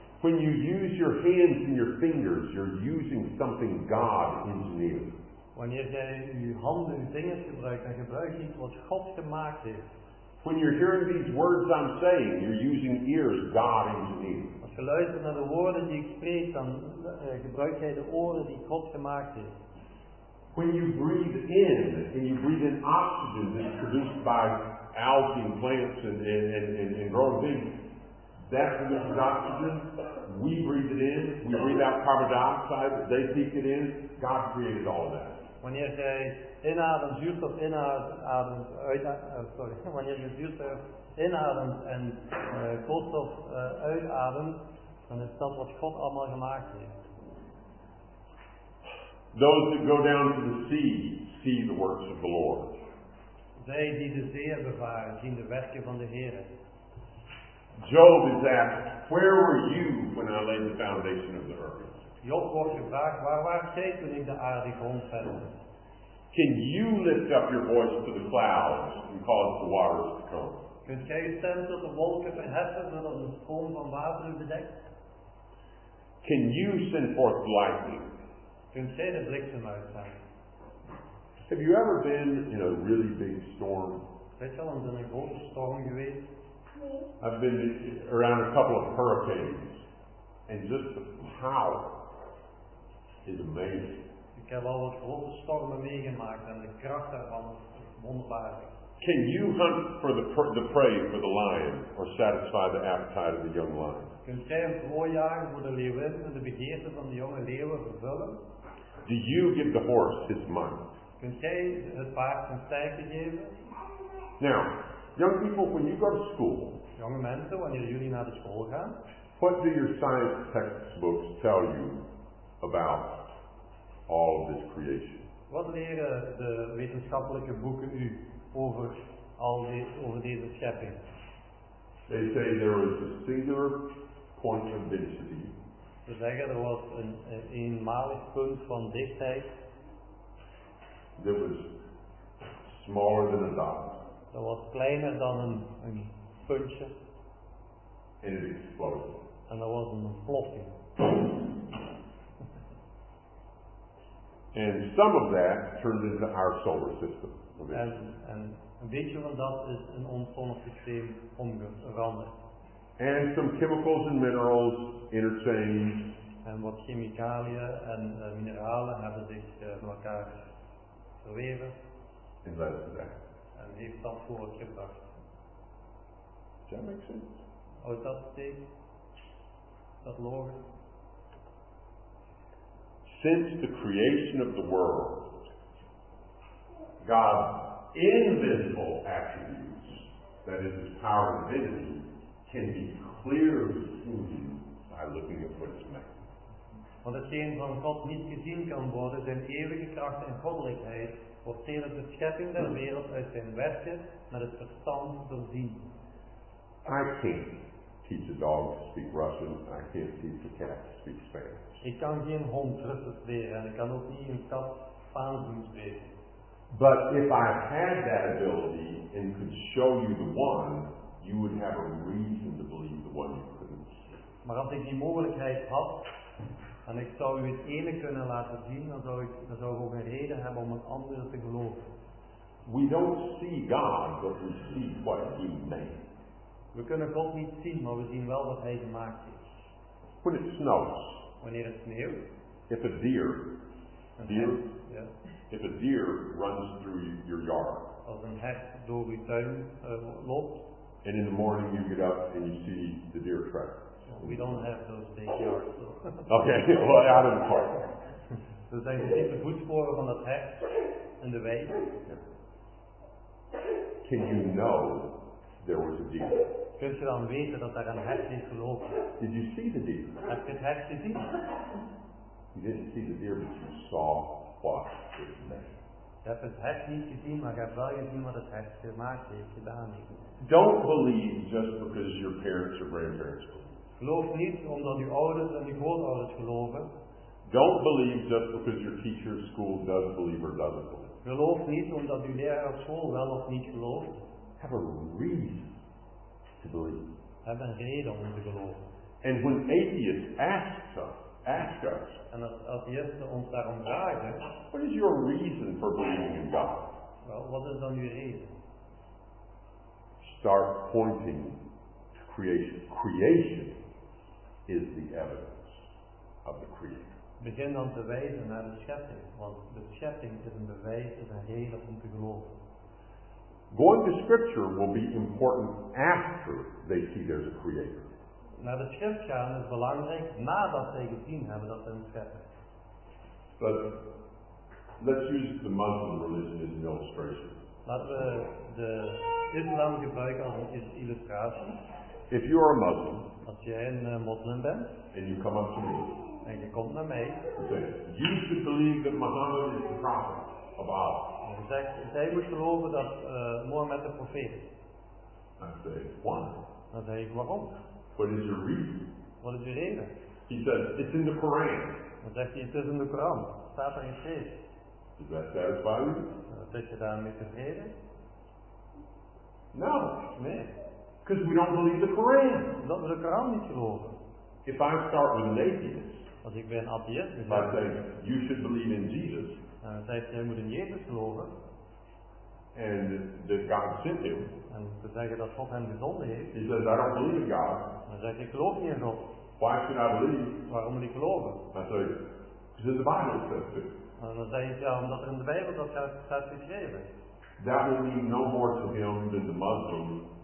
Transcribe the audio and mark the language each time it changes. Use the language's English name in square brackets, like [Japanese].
[English] When you use your hands and your fingers, you're using something God engineered. [Dutch] Wanneer jij je handen en vingers gebruikt, dan gebruik je iets wat God gemaakt heeft. [English] When you're hearing these words I'm saying, you're using ears God engineered. [Dutch] Als je luistert naar de woorden die ik spreek, dan gebruik jij de oren die God gemaakt heeft. [English] When you breathe in and you breathe in oxygen that's produced by algae and plants and growing things. That produces oxygen. We breathe it in. We breathe out carbon dioxide. They take it in. God created all of that. [Dutch] Wanneer je inademt, zuurstof inademt, wanneer je zuurstof inademt en koolstof uitademt, dan is dat wat God allemaal gemaakt heeft. [English] Those that go down to the sea see the works of the Lord. [Dutch] Zij die de zee bevaren zien de werken van de Heer. [English] Job is asked, "Where were you when I laid the foundation of the earth?" [Dutch] Job wordt gevraagd, waar was jij toen ik de aarde grondvestte? [English] Can you lift up your voice to the clouds and cause the waters to come? [Dutch] Kunt jij je stem tot de wolken verheffen zodat een stroom van water u bedekt? [English] Can you send forth lightning? [Dutch] Kunt jij de bliksem uitzenden? [English] Have you ever been in a really big storm? [Dutch] Ben je al eens in een grote storm geweest? [English] I've been around a couple of hurricanes, and just the power is amazing. [Dutch] Ik heb al wat grote stormen meegemaakt en de kracht daarvan is wonderbaar. [English] Can you hunt for the prey for the lion, or satisfy the appetite of the young lion? [Dutch] Kun jij een prooi jagen voor de leeuwen en de begeerte van de jonge leeuwen vervullen? [English] Do you give the horse his might? [Dutch] Kun jij het paard zijn sterkte geven? [English] Now. Young people, when you go to school, [Dutch] jonge mensen, wanneer jullie naar de school gaan, [English] what do your science textbooks tell you about all of this creation? [Dutch] Wat leren de wetenschappelijke boeken u over over deze schepping? [English] They say there is a singular point of density. [Dutch] Ze zeggen er was een eenmalig punt van dichtheid. [English] That was smaller than a dot. [Dutch] Dat was kleiner dan een puntje. En het explodeerde. En dat was een ontploffing. [English] En some of that turned into our solar system. [Dutch] En een beetje van dat is in ons zonnesysteem omgeranderd. [English] And some chemicals and minerals interchanged. [Dutch] En wat chemicaliën en mineralen hebben zich met elkaar verweven. [English] En led to that. [Dutch] En heeft dat voor het gebracht. [English] Does that make sense? [Dutch] Houdt dat steek? Dat logisch? [English] Since the creation of the world, God's invisible attributes that is his power and divinity, can be clearly seen by looking at what is made. [Dutch] Want hetgeen van God niet gezien kan worden, zijn eeuwige kracht en goddelijkheid, wordt tegen de schepping der wereld uit zijn werken met het verstand doorzien. [English] I can't teach a dog to speak Russian, I can't teach a cat to speak Spanish. [Dutch] Ik kan geen hond Russisch leren en ik kan ook niet een kat Spaans leren. [English] But if I had that ability and could show you the one, you would have a reason to believe the one you couldn't see. [Dutch] Maar als ik die mogelijkheid had, en ik zou u het ene kunnen laten zien, dan zou ik ook een reden hebben om het andere te geloven. [English] We don't see God, but we see what He made. [Dutch] We kunnen God niet zien, maar we zien wel wat Hij gemaakt heeft. [English] When it snows. [Dutch] Wanneer het sneeuwt. [English] If a deer. Yeah. If a deer runs through your yard. [Dutch] Als een hert door uw tuin loopt. [English] And in the morning you get up and you see the deer track. We don't have those big yards. Okay, well, out of the park. [Dutch] Dus dan zie je de voetsporen van dat hek in de wei. [English] Can you know there was a deer? [Dutch] Kun je dan weten dat daar een hek is gelopen? [English] Did you see the deer? [Dutch] Heb je het hek gezien? [English] You didn't see the deer, but you saw what it meant. [Dutch] Je hebt het hek niet gezien, maar je hebt wel gezien wat het hek gemaakt heeft, gedaan heeft. [English] Don't believe just because your parents or grandparents believe. [Dutch] Geloof niet omdat uw ouders en uw grootouders geloven. [English] Don't believe just because your teacher at school does believe or doesn't believe. [Dutch] Geloof niet omdat uw leraar op school wel of niet gelooft. [English] Have a reason to believe. [Dutch] Heb een reden om te geloven. [English] And when atheists ask us. [Dutch] En als atheïsten ons daarom vragen. [English] What is your reason for believing in God? [Dutch] Well, wat is dan uw reden? [English] Start pointing. Creation is the evidence of the Creator. [Dutch] Begin dan te wijzen naar de schepping, want de schepping is een bewijs, is een reden om te geloven. [English] Going to Scripture will be important after they see there's a Creator. [Dutch] Naar de schrift gaan is belangrijk nadat zij gezien hebben dat er een schepper is. [English] But let's use the Muslim religion as an illustration. [Dutch] Laten we de Islam gebruiken als een illustratie. [English] If you are a Muslim, [Dutch] als jij een moslim bent, [English] and you come up to me, [Dutch] en je komt naar mij, [English] say, you should believe that Muhammad is the prophet of Allah. [Dutch] En je zegt, zij moet geloven dat Mohammed de profeet is. [English] I say, why? [Dutch] Dan zeg ik, waarom? [English] What is your reason? [Dutch] Wat is je reden? [English] He says, it's in the Quran. [Dutch] Dan zegt hij, het is in de Koran. Het staat er in geschreven. [English] Does that satisfy you? [Dutch] Ben je daarmee tevreden? [English] No. [Dutch] Nee. [English] Because we don't believe the Quran. [Dutch] Dat we de Koran niet geloven. [English] If I start with an atheist, [Dutch] als ik ben een atheist, [English] if I say you should believe in Jesus, [Dutch] en zegt jij moet in Jezus geloven, [English] and that God sent him, [Dutch] en te zeggen dat God hem gezonden heeft, [English] he says I don't believe in God. [Dutch] Dan zegt ik geloof niet in God. [English] Why should I believe? [Dutch] Waarom moet ik geloven? [English] I say because the Bible says to. [Dutch] En dan zeg ik ja, omdat er in de Bijbel dat staat geschreven. [English] That will mean no more to him than the Muslim.